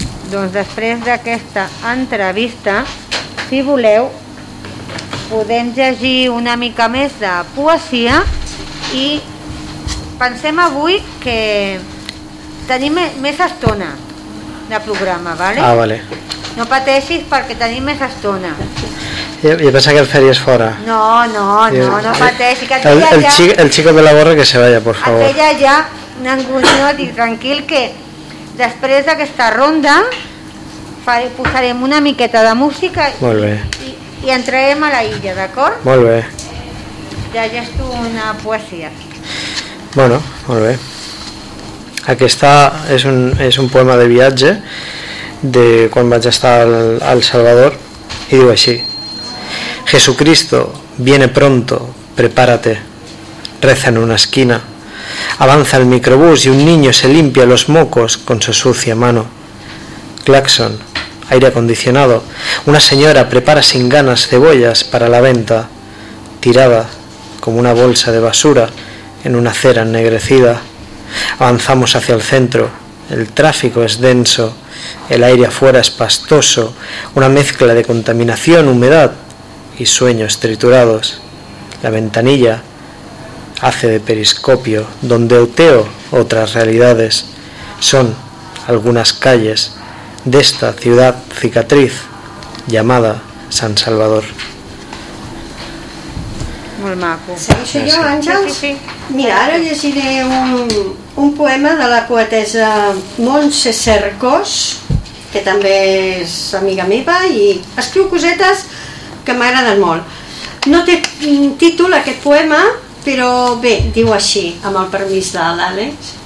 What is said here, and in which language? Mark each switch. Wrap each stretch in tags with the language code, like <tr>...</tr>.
<ca>Doncs després d'aquesta entrevista, si voleu, podem llegir una mica més de poesia, i pensem avui que tenim més estona de programa, ¿vale? Ah, vale. No pateixis perquè tenim més estona. Jo pensava que el feries fora. No pateixis.</ca> <es>El chico de la gorra que se vaya, por favor.</es> <ca>Aquella ja n'angunyó, i tranquil, que després d'aquesta ronda posarem una miqueta de música i entrarem a la illa, d'acord? Molt bé. Ja hi has tu una poesia. Bueno, molt bé. Aquesta és un poema de viatge de quan vaig estar al Salvador, i diu així:</ca> <es>Jesucristo viene pronto, prepárate, reza en una esquina. Avanza el microbús y un niño se limpia los mocos con su sucia mano. Claxon, aire acondicionado. Una señora prepara sin ganas cebollas para la venta, tirada como una bolsa de basura en una acera ennegrecida. Avanzamos hacia el centro. El tráfico es denso. El aire afuera es pastoso. Una mezcla de contaminación, humedad y sueños triturados. La ventanilla hace de periscopio, donde oteo otras realidades. Son algunas calles de esta ciudad cicatriz llamada San Salvador.</es> <ca>Molt maco. Segueixo jo, Àngels? Sí, sí. Mira, ara llegiré un poema de la poetessa Montse Cercós, que també és amiga meva i escriu cosetes que m'agraden molt. No té títol aquest poema, però bé, diu així, amb el permís de l'Àlex,</ca>